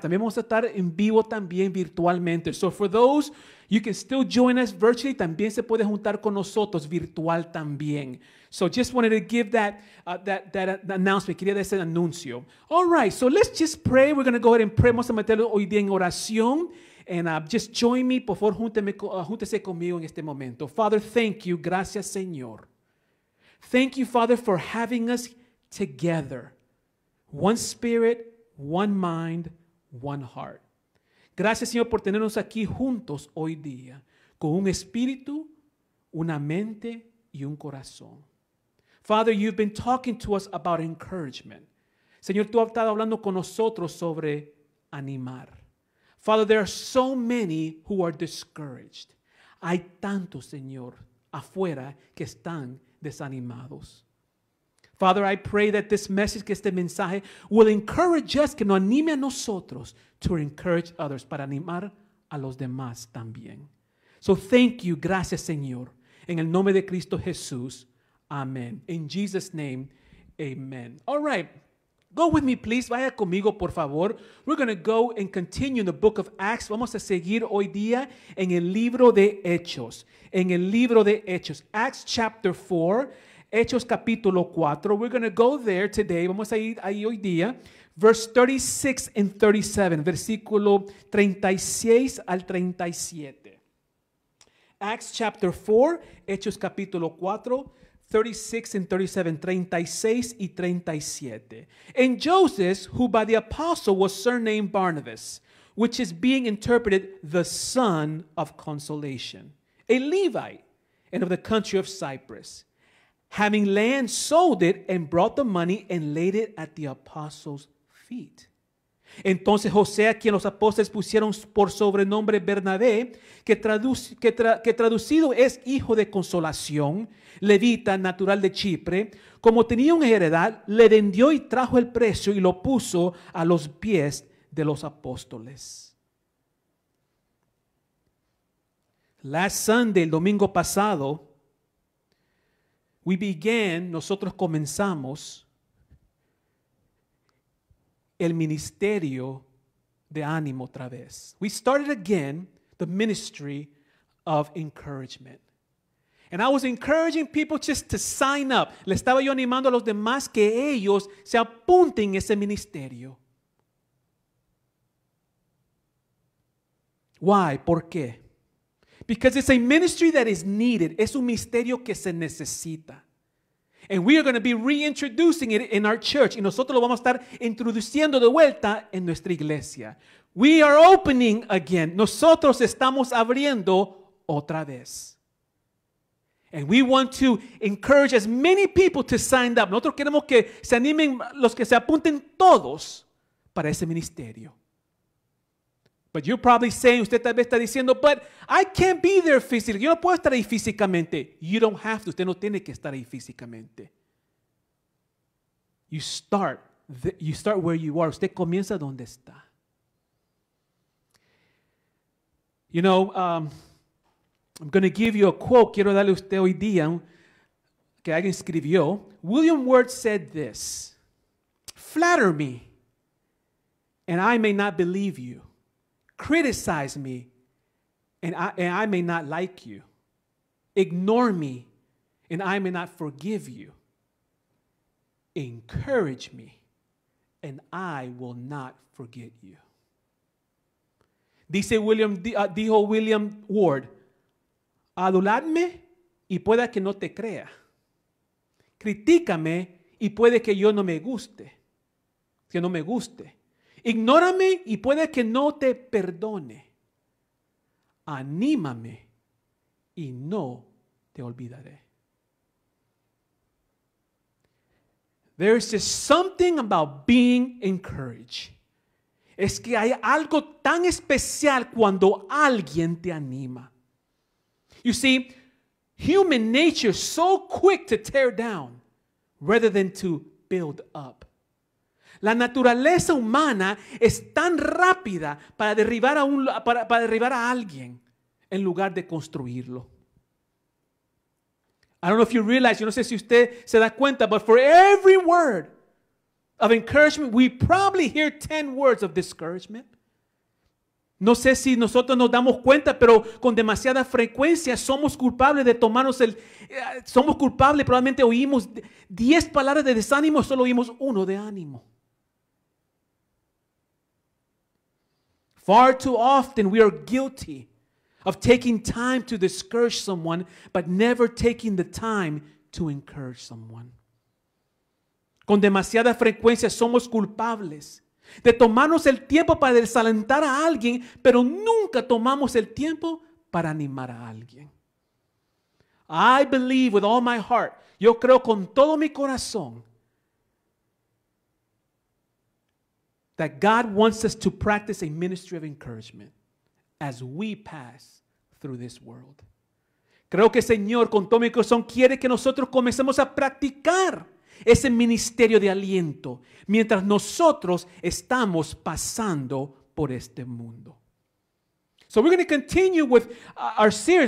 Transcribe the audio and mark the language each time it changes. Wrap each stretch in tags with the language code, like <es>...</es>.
<es>También vamos a estar en vivo también virtualmente.</es> <en>So for those, you can still join us virtually.</en> <es>También se puede juntar con nosotros virtual también.</es> <en>So just wanted to give that announcement.</en> <es>Quería dar ese anuncio.</es> <en>All right. So let's just pray. We're going to go ahead and pray.</en> <es>Vamos a meterlo hoy día en oración.</es> <en>And just join me.</en> <es>Por favor, júntese conmigo en este momento.</es> <en>Father, thank you.</en> <es>Gracias, Señor.</es> <en>Thank you, Father, for having us together. One spirit, one mind, one heart.</en> <es>Gracias, Señor, por tenernos aquí juntos hoy día, con un espíritu, una mente y un corazón.</es> <en>Father, you've been talking to us about encouragement.</en> <es>Señor, tú has estado hablando con nosotros sobre animar.</es> <en>Father, there are so many who are discouraged.</en> <es>Hay tantos, Señor, afuera que están desanimados.</es> <en>Father, I pray that this message,</en> <es>que este mensaje,</es> <en>will encourage us,</en> <es>que nos anime a nosotros,</es> <en>to encourage others,</en> <es>para animar a los demás también.</es> <en>So thank you,</en> <es>gracias Señor, en el nombre de Cristo Jesús, amén.</es> <en>In Jesus' name, amen. All right, go with me please,</en> <es>vaya conmigo por favor.</es> <en>We're going to go and continue in the book of Acts.</en> <es>Vamos a seguir hoy día en el libro de Hechos, en el libro de Hechos. Acts chapter 4. Hechos capítulo 4, we're going to go there today, vamos a ir ahí hoy día, verse 36 and 37, versículo 36 al 37. Acts chapter 4, Hechos capítulo 4, 36 and 37, 36 y 37.</es> <en>And Joseph, who by the apostle was surnamed Barnabas, which is being interpreted the son of consolation, a Levite and of the country of Cyprus, having land, sold it and brought the money and laid it at the apostles' feet.</en> <es>Entonces José, a quien los apóstoles pusieron por sobrenombre Bernabé, que traducido es hijo de consolación, levita natural de Chipre, como tenía una heredad, le vendió y trajo el precio y lo puso a los pies de los apóstoles.</es> <en>Last Sunday,</en> <es>el domingo pasado, nosotros comenzamos el ministerio de ánimo otra vez.</es> <en>We started again the ministry of encouragement. And I was encouraging people just to sign up.</en> <es>Le estaba yo animando a los demás que ellos se apunten a ese ministerio.</es> <en>Why?</en> <es>¿Por qué?</es> <en>Because it's a ministry that is needed.</en> <es>Es un ministerio que se necesita.</es> <en>And we are going to be reintroducing it in our church.</en> <es>Y nosotros lo vamos a estar introduciendo de vuelta en nuestra iglesia.</es> <en>We are opening again.</en> <es>Nosotros estamos abriendo otra vez.</es> <en>And we want to encourage as many people to sign up.</en> <es>Nosotros queremos que se animen los que se apunten todos para ese ministerio.</es> <en>But you're probably saying,</en> <es>usted tal vez está diciendo,</es> <en>but I can't be there physically.</en> <es>Yo no puedo estar ahí físicamente.</es> <en>You don't have to.</en> <es>Usted no tiene que estar ahí físicamente.</es> <en>You start where you are.</en> <es>Usted comienza donde está.</es> <en>You know, I'm going to give you a quote.</en> <es>Quiero darle a usted hoy día que alguien escribió.</es> <en>William Ward said this. Flatter me and I may not believe you. Criticize me and I may not like you. Ignore me and I may not forgive you. Encourage me and I will not forget you.</en> <es>Dijo William Ward, aduladme y pueda que no te crea. Critícame y puede que yo no me guste. Que no me guste. Ignórame y puede que no te perdone. Anímame y no te olvidaré.</es> <en>There is just something about being encouraged.</en> <es>Es que hay algo tan especial cuando alguien te anima.</es> <en>You see, human nature is so quick to tear down rather than to build up.</en> <es>La naturaleza humana es tan rápida para derribar a alguien en lugar de construirlo.</es> <en>I don't know if you realize,</en> <es>yo no sé si usted se da cuenta,</es> <en>but for every word of encouragement, we probably hear 10 words of discouragement.</en> <es>No sé si nosotros nos damos cuenta, pero con demasiada frecuencia probablemente oímos 10 palabras de desánimo, solo oímos uno de ánimo.</es> <en>Far too often we are guilty of taking time to discourage someone, but never taking the time to encourage someone.</en> <es>Con demasiada frecuencia somos culpables de tomarnos el tiempo para desalentar a alguien, pero nunca tomamos el tiempo para animar a alguien.</es> <en>I believe with all my heart,</en> <es>yo creo con todo mi corazón,</es> <en>that God wants us to practice a ministry of encouragement as we pass through this world.</en> <es>Creo que Señor, con todo mi corazón, quiere que nosotros comencemos a practicar ese ministerio de aliento mientras nosotros estamos pasando por este mundo.</es> <en>So we're going to continue with our series.</en>